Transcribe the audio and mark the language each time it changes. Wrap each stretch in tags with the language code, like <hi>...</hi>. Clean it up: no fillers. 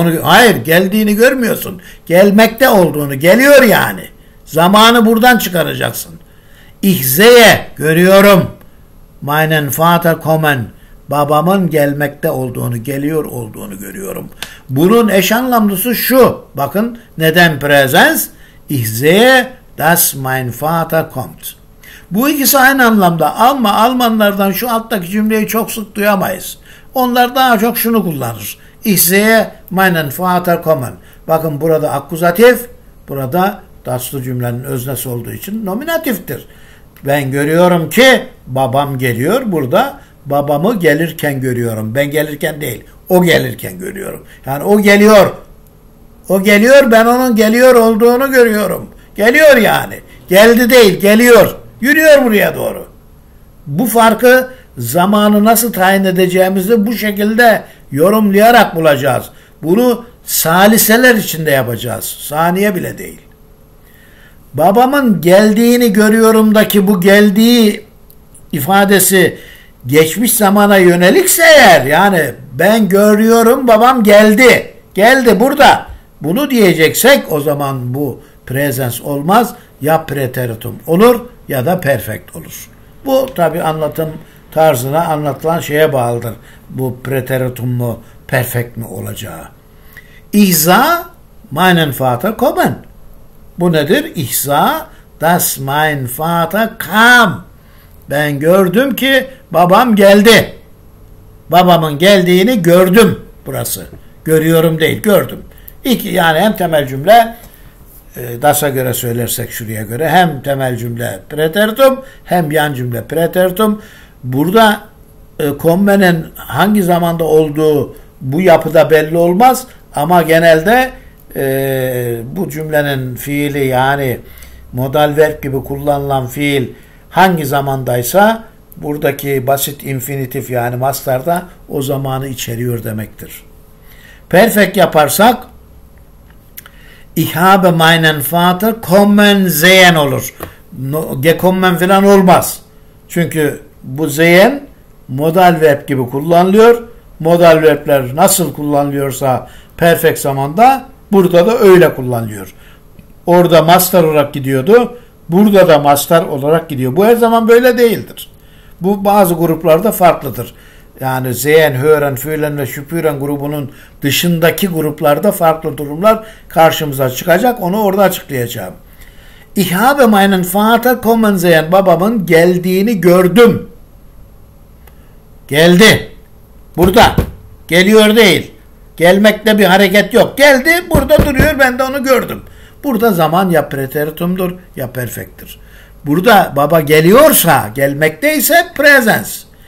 <tr>Onu, hayır, geldiğini görmüyorsun. Gelmekte olduğunu, geliyor yani. Zamanı buradan çıkaracaksın.</tr> <de>Ich sehe,</de> <tr>görüyorum.</tr> <de>Meinen Vater kommen.</de> <tr>Babamın gelmekte olduğunu, geliyor olduğunu görüyorum. Bunun eş anlamlısı şu. Bakın neden präsenz?</tr> <de>Ich sehe, dass mein Vater kommt.</de> <tr>Bu ikisi aynı anlamda ama Almanlardan şu alttaki cümleyi çok sık duyamayız. Onlar daha çok şunu kullanır.</tr> <de>Ich sehe meinen Vater kommen.</de> <tr>Bakın burada akkuzatif, burada daslı cümlenin öznesi olduğu için nominatiftir. Ben görüyorum ki babam geliyor, burada babamı gelirken görüyorum. Ben gelirken değil, o gelirken görüyorum. Yani o geliyor, o geliyor, ben onun geliyor olduğunu görüyorum. Geliyor yani. Geldi değil, geliyor. Yürüyor buraya doğru. Bu farkı zamanı nasıl tayin edeceğimizi bu şekilde yorumlayarak bulacağız. Bunu saliseler içinde yapacağız. Saniye bile değil. Babamın geldiğini görüyorumdaki bu geldiği ifadesi geçmiş zamana yönelikse eğer, yani ben görüyorum babam geldi, geldi burada. Bunu diyeceksek o zaman bu presens olmaz. Ya preteritum olur ya da perfect olur. Bu tabi anlatım tarzına, anlatılan şeye bağlıdır. Bu preteritum mu, perfect mi olacağı.</tr> <de>İhza meinen Vater kommen.</de> <tr>Bu nedir?</tr> <de>İhza das mein Vater kam.</de> <tr>Ben gördüm ki babam geldi. Babamın geldiğini gördüm burası. Görüyorum değil, gördüm. İki, yani hem temel cümle DAS'a göre söylersek şuraya göre, hem temel cümle preteritum, hem yan cümle preteritum. Burada kommenin hangi zamanda olduğu bu yapıda belli olmaz. Ama genelde bu cümlenin fiili, yani modal verb gibi kullanılan fiil hangi zamandaysa, buradaki basit infinitif yani mastar da o zamanı içeriyor demektir. Perfect yaparsak</tr> <de>Ich habe meinen Vater kommen sehen</de> <tr>olur. No, gekommen falan olmaz. Çünkü bu sehen modal verb gibi kullanılıyor. Modal verbler nasıl kullanılıyorsa perfect zamanda, burada da öyle kullanılıyor. Orada mastar olarak gidiyordu. Burada da mastar olarak gidiyor. Bu her zaman böyle değildir. Bu bazı gruplarda farklıdır. Yani sehen, hören, fühlen ve şüpüren grubunun dışındaki gruplarda farklı durumlar karşımıza çıkacak. Onu orada açıklayacağım.</tr> <de>Ich habe meinen Vater kommen sehen.</de> <tr>Babamın geldiğini gördüm. Geldi. Burada. Geliyor değil. Gelmekte bir hareket yok. Geldi, burada duruyor, ben de onu gördüm. Burada zaman ya preteritumdur ya perfekttir. Burada baba geliyorsa, gelmekteyse presens.</tr>